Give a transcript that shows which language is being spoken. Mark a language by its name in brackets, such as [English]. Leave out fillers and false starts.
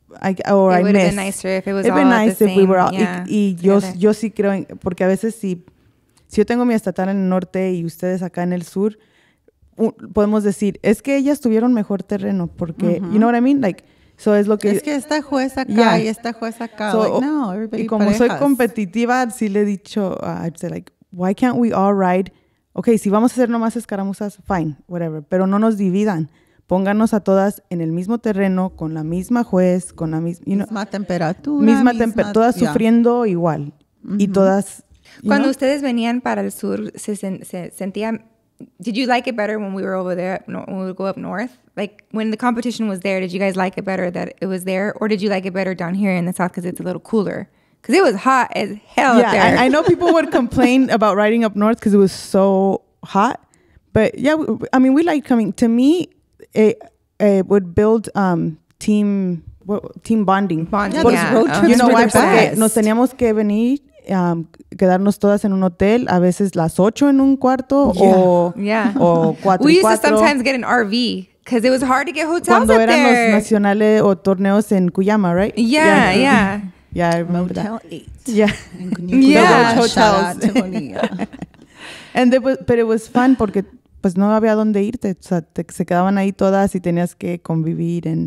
[English] it would have been nicer if it was all the same. [Spanish] Yo sí creo, porque a veces si yo tengo mi estatal en el norte y ustedes acá en el sur, podemos decir, es que ellas tuvieron mejor terreno, porque, mm-hmm. [English] You know what I mean? Like, so [Spanish] es lo que... Es que esta juez acá y esta juez acá. [English] So, like, no, everybody [Spanish] y como parejas. Soy competitiva, sí le he dicho, [English] I'd say like, why can't we all ride? [Spanish] Okay, si vamos a hacer nomás escaramuzas, [English] fine, whatever, [Spanish] pero no nos dividan. Pónganos a todas en el mismo terreno, con la misma juez, con la misma... [English] You know, [Spanish] misma temperatura. Misma temperatura, todas sufriendo igual. Uh-huh. Y todas Cuando ustedes venían para el sur, sentían, [English] did you like it better when we were over there, when we would go up north? Like, when the competition was there, did you guys like it better that it was there? Or did you like it better down here in the south because it's a little cooler? Because it was hot as hell up there. I know people would complain about riding up north because it was so hot. But yeah, I mean, we like coming. To me, it would build team bonding. yeah. Road trips were the best. [Spanish] Quedarnos todas en un hotel, a veces las ocho en un cuarto o cuatro. [English] We used [Spanish] cuatro. [English] To sometimes get an RV because it was hard to get hotels up there. [Spanish] Cuando eran los nacionales o torneos en Cuyama, [English] right? Yeah. I remember Motel that. 8. Yeah. Yeah. Shout out to Bonilla. And but it was fun [Spanish] porque pues no había dónde irte. O sea, se quedaban ahí todas y tenías que convivir.